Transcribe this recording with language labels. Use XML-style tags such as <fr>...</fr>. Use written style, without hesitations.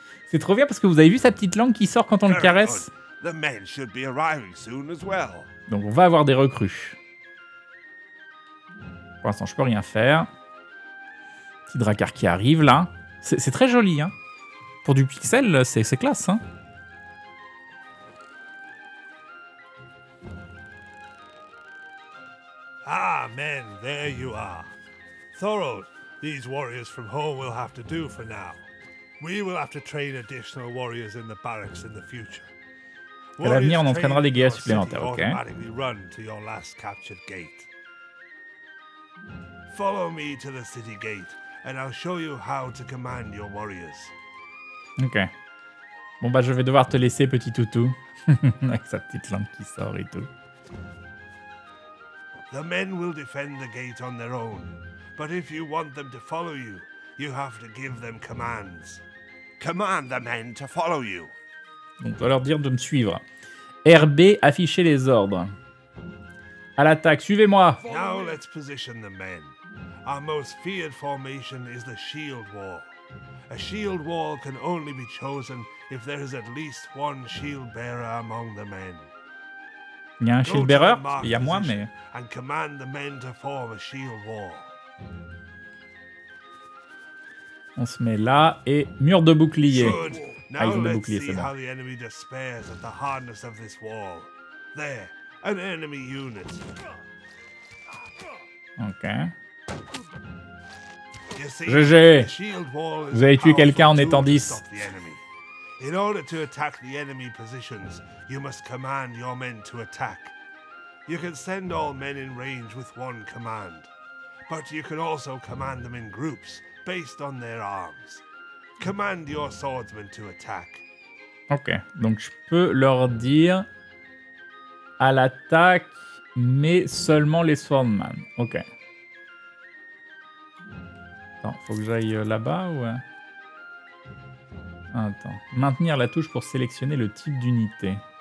<fr>C'est trop bien parce que vous avez vu sa petite langue qui sort quand on le caresse.</fr> <en>The men should be arriving soon as well.</en> <fr>Donc on va avoir des recrues. Pour l'instant, je peux rien faire. Petit Drakkar qui arrive là. C'est très joli, hein. Pour du pixel, c'est classe, hein.</fr> <en>Ah, men, there you are. Thorold, these warriors from home will have to do for now. We will have to train additional warriors in the barracks in the future.</en> <fr>À l'avenir, on entraînera des guerriers supplémentaires, ok.</fr> <en>Automatically run to your last captured gate. Follow me to the city gate, and I'll show you how to command your warriors. Ok.</en> <fr>Bon bah, je vais devoir te laisser, petit toutou. Avec sa petite lampe qui sort et tout.</fr> <en>The men will defend the gate on their own. But if you want them to follow you, you have to give them commands. Command the men to follow you.</en> <fr>Donc, on va leur dire de me suivre. RB, afficher les ordres. À l'attaque, suivez-moi.</fr> <en>Now let's position the men. Our most feared formation is the shield wall. A shield wall can only be chosen if there is at least one shield bearer among the men.</en> <fr>Il y a un shield bearer, il y a moi, mais.</fr> <en>And command the men to form a shield wall.</en> <fr>On se met là et mur de bouclier.</fr> <en>Now let's see how the enemy despairs at the hardness of this wall. There, an enemy unit. Okay.</en> <fr>GG. Vous avez tué quelqu'un en étant 10.</fr> <en>In order to attack the enemy positions, you must command your men to attack. You can send all men in range with one command, but you can also command them in groups based on their arms. Command your swordsmen to attack.</en> <fr>Ok, donc je peux leur dire à l'attaque, mais seulement les swordsmen. Ok. Attends, faut que j'aille là-bas ou... Attends. Maintenir la touche pour sélectionner le type d'unité.</fr>